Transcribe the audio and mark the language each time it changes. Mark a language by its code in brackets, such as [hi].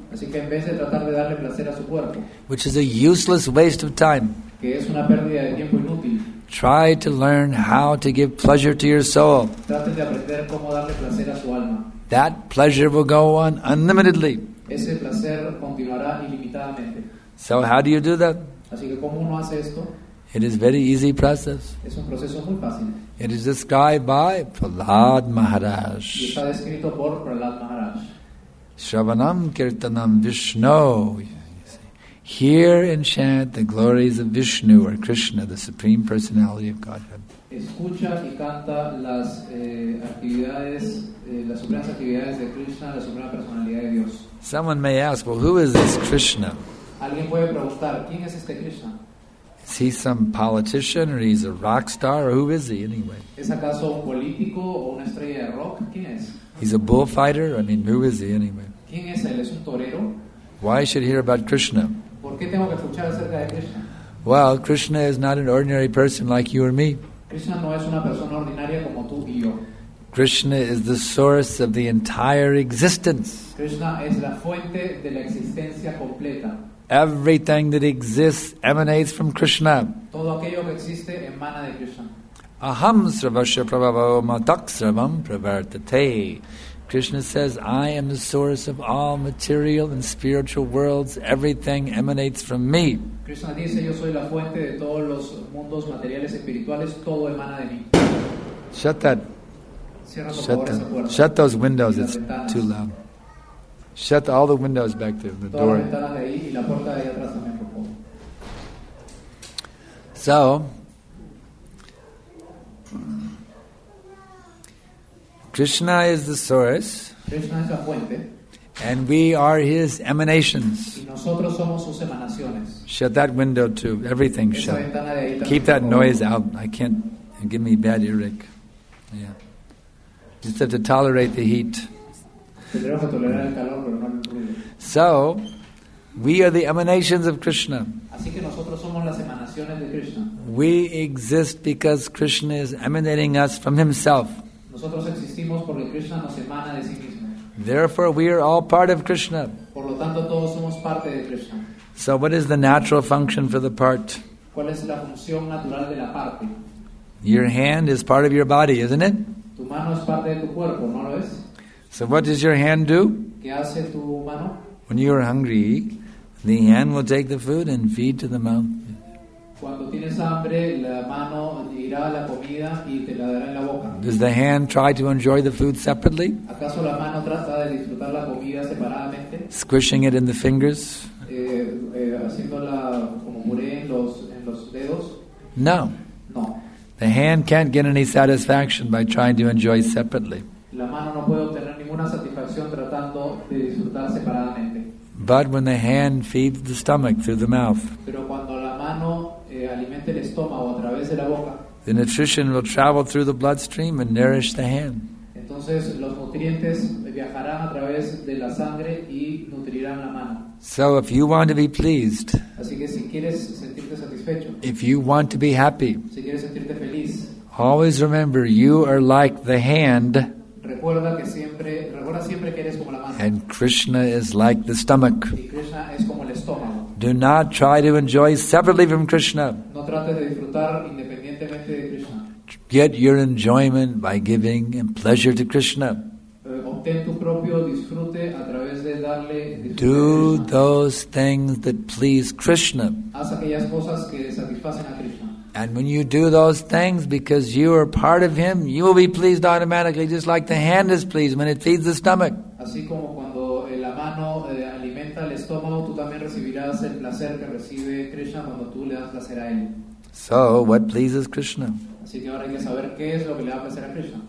[es] así que en vez de tratar de darle placer a su cuerpo, [en] which is a useless waste of time, [es] que es una pérdida de tiempo inútil, [en] try to learn how to give pleasure to your soul. [es] Traten de aprender cómo darle placer a su alma. [en] That pleasure will go on unlimitedly. [es] Ese placer continuará ilimitadamente. [en] So how do you do that? [es] Así que cómo uno hace esto? [en] It is very easy process. [es] Es un proceso muy fácil. [en] It is described by Prahlad Maharaj. [es] Y está descrito por Prahlad Maharaj. [sa] Shravanam Kirtanam Vishnu. [en] Hear and chant the glories of Vishnu or Krishna, the Supreme Personality of Godhead. [es] Escucha y canta las actividades, las supremas actividades de Krishna, la suprema personalidad de Dios. [en] Someone may ask, well, who is this Krishna? [es] Alguien puede preguntar, ¿quién es este Krishna? [en] Is he some politician or he's a rock star or who is he anyway? [es] ¿Es acaso un político o una estrella de rock? ¿Quién es? [en] He's a bullfighter? I mean, who is he anyway? [es] ¿Quién es él? ¿Es un torero? [en] Why should I hear about Krishna? [es] ¿Por qué tengo que escuchar acerca de Krishna? [en] Well, Krishna is not an ordinary person like you or me. [es] Krishna no es una persona ordinaria como tú y yo. [en] Krishna is the source of the entire existence. [es] Krishna es la fuente de la existencia completa. [en] Everything that exists emanates from Krishna. [es] Todo aquello que existe emana de Krishna. [sa] Aham sravasya prabhavo matak sravam pravartate. [en] Krishna says, I am the source of all material and spiritual worlds. Everything emanates from me. [es] Krishna dice, yo soy la fuente de todos los mundos materiales y espirituales. Todo emana de mí. [en] Shut that. Shut those windows. It's [es] ventanas. [en] Too loud. Shut all the windows back there, the [es] todas [en] door. [es] Las ventanas de ahí y la puerta de ahí atrás también, por favor. [en] So, Krishna is the source. [es] Krishna es la fuente. [en] And we are his emanations. [es] Y nosotros somos sus emanaciones. [en] Shut that window too. Everything [es] esa [en] shut. [es] Ventana de ahí también, [en] keep that noise out. I can't. Give me bad earache. Yeah. Just have to tolerate the heat. [es] Tendremos que tolerar el calor, pero no el ruido. [en] So, we are the emanations of Krishna. [es] Así que nosotros somos las emanaciones de Krishna. [en] We exist because Krishna is emanating us from himself. [es] Nosotros existimos porque Krishna nos emana de sí mismo. [en] Therefore, we are all part of Krishna. [es] Por lo tanto, todos somos parte de Krishna. [en] So, what is the natural function for the part? [es] ¿Cuál es la función natural de la parte? [en] Your hand is part of your body, isn't it? [es] Tu mano es parte de tu cuerpo, ¿no lo es? [en] So what does your hand do? [es] ¿Qué hace tu mano? [en] When you are hungry, the hand will take the food and feed to the mouth. [es] Cuando tienes hambre, la mano irá a la comida y te la dará en la boca. [en] Does the hand try to enjoy the food separately? [es] ¿Acaso la mano trata de disfrutar la comida separadamente? [en] Squishing it in the fingers? [es] Haciéndola como puré en los dedos? [en] No. [es] No. [en] The hand can't get any satisfaction by trying to enjoy separately. [es] La mano no puede obtener ninguna satisfacción tratando de disfrutar separadamente. [en] But when the hand feeds the stomach through the mouth, [es] pero cuando la mano alimenta el estómago a través de la boca, [en] the nutrition will travel through the bloodstream and nourish the hand. [es] Entonces los nutrientes nutrientes viajarán a través de la sangre y nutrirán la mano. [en] So if you want to be pleased, [es] así que si quieres sentirte satisfecho, [en] if you want to be happy, [es] si quieres sentirte feliz, [en] always remember you are like the hand. [es] Recuerda siempre que eres como la mano. [en] And Krishna is like the stomach. [es] Y Krishna es como el estómago. [en] Do not try to enjoy separately from Krishna. [es] No trates de disfrutar independientemente de Krishna. [en] Get your enjoyment by giving pleasure to Krishna. [es] Obtén tu propio disfrute a través de darle disfrute. [en] Do those things that please Krishna. [es] Haz aquellas cosas que satisfacen a Krishna. [en] And when you do those things because you are part of Him, you will be pleased automatically, just like the hand is pleased when it feeds the stomach. [es] Así como cuando la mano alimenta el estómago, tú también recibirás el placer que recibe Krishna cuando tú le das placer a él. [en] So, what pleases Krishna? [es] Así que ahora hay que saber qué es lo que le da placer a Krishna.